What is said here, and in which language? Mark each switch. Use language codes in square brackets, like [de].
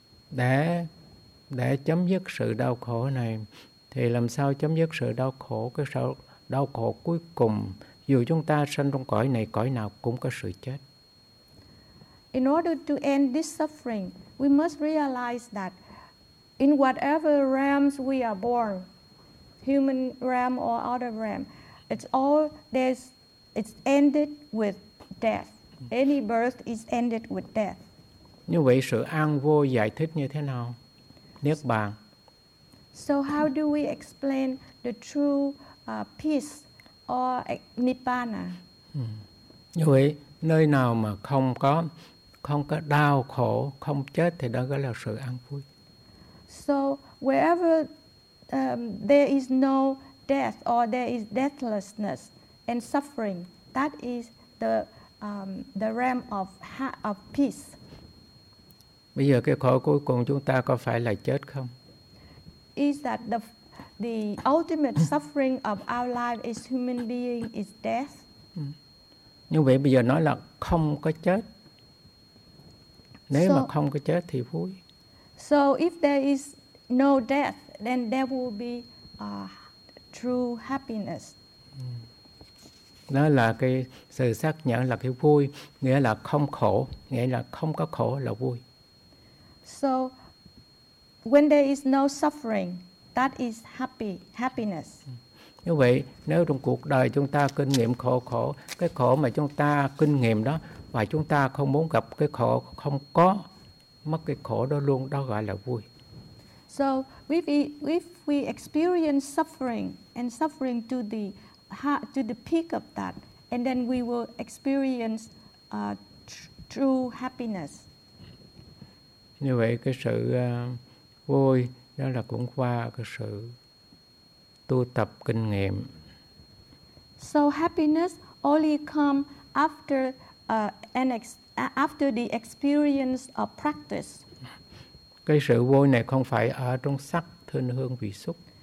[vi] Để chấm dứt sự đau khổ này, thì làm sao chấm dứt sự đau khổ? Cái sự đau khổ cuối cùng, dù chúng ta sinh trong cõi này, cõi nào cũng có sự chết. [en] In order to end this suffering, we must realize that in whatever realms we are born, human realm or other realm, it's ended with death. Any birth is ended with death. [vi] Như vậy sự an vui giải thích như thế nào? Niết bàn. [en] So how do we explain the true peace or nirvana? [vi] Như vậy nơi nào mà không có đau khổ, không chết thì đó gọi là sự an vui. [en] So wherever there is no death or there is deathlessness and suffering, that is the realm of peace. [vi] Bây giờ cái khổ cuối cùng chúng ta có phải là chết không? [en] Is that the ultimate suffering of our life as human being is death? [vi] Như vậy bây giờ nói là không có chết. Nếu mà không có chết thì vui. [en] So if there is no death, then there will be true happiness. [vi] Đó là cái sự xác nhận là cái vui, nghĩa là không khổ, nghĩa là không có khổ là vui. [en] So, when there is no suffering, that is happiness. [vi] Như vậy, nếu trong cuộc đời chúng ta kinh nghiệm khổ, cái khổ mà chúng ta kinh nghiệm đó, và chúng ta không muốn gặp cái khổ không có, mất cái khổ đó luôn, đó gọi là vui. [en] So, if we experience suffering, and suffering to the peak of that, and then we will experience true happiness. [vi] Như vậy cái sự vui đó là cũng qua cái sự tu tập kinh nghiệm. [en] So happiness only come after after the experience of practice. [vi] Cái sự vui này không phải ở trong sắc thân hương vị xúc.